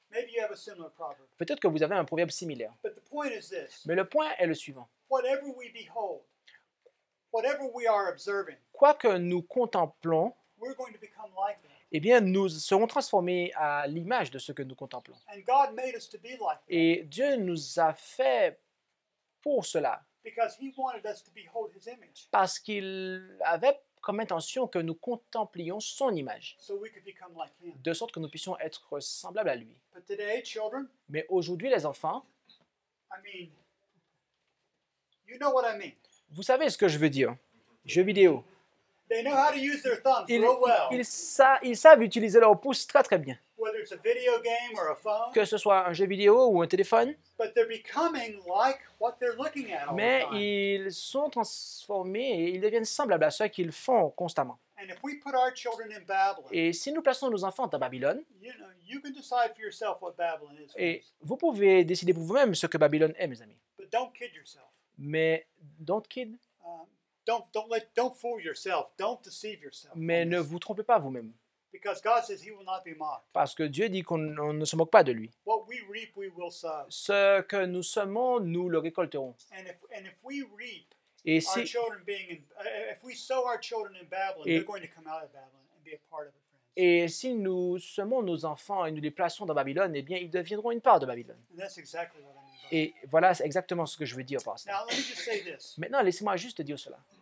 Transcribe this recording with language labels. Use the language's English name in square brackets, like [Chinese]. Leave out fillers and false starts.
[English] Maybe you have a similar proverb. [French] Peut-être que vous avez un proverbe similaire. [English] But the point is this. [French] Mais le point est le suivant. [English] Whatever we behold, whatever we are observing, [French] quoi que nous contemplons, [English] we're going to become like that. [French] Eh bien, nous serons transformés à l'image de ce que nous contemplons. [English] And God made us to be like that. [French] Et Dieu nous a fait pour cela. [English] Because he wanted us to behold his image. [French] Parce qu'il avait comme intention que nous contemplions son image. [English] So we could become like him. [French] De sorte que nous puissions être semblables à lui. [English] But today, children, [French] mais aujourd'hui, les enfants, [English] I mean, you know what I mean. [French] Vous savez ce que je veux dire. Jeux vidéo. [English] They know how to use their thumbs real well. [French] Ils savent utiliser leurs pouces très très bien. [English] Whether it's a video game or a phone, [French] que ce soit un jeu vidéo ou un téléphone. [English] But they're becoming like what they're looking at all the time. [French] Mais ils sont transformés et ils deviennent semblables à ce qu'ils font constamment. [English] And if we put our children in Babylon, [French] et si nous plaçons nos enfants dans Babylone, [English] you know, you can decide for yourself what Babylon is. [French] Et vous pouvez décider pour vous-même ce que Babylone est, mes amis. [English] But don't kid yourself. Mais don't kid. Don't fool yourself. Don't deceive yourself. [French] Mais ne vous trompez pas vous-même. [English] Because God says he will not be mocked. [French] Parce que Dieu dit qu'on ne se moque pas de lui. [English] What we reap, we will sow. [French] Ce que nous semons, nous le récolterons. [English] And if we reap our children being in, if we sow our children in Babylon, they're going to come out of Babylon and be a part of it. [French] Et si nous semons nos enfants et nous les plaçons dans Babylone, eh bien, ils deviendront une part de Babylone. Et voilà exactement ce que je veux dire par ça. Maintenant, laissez-moi juste dire cela.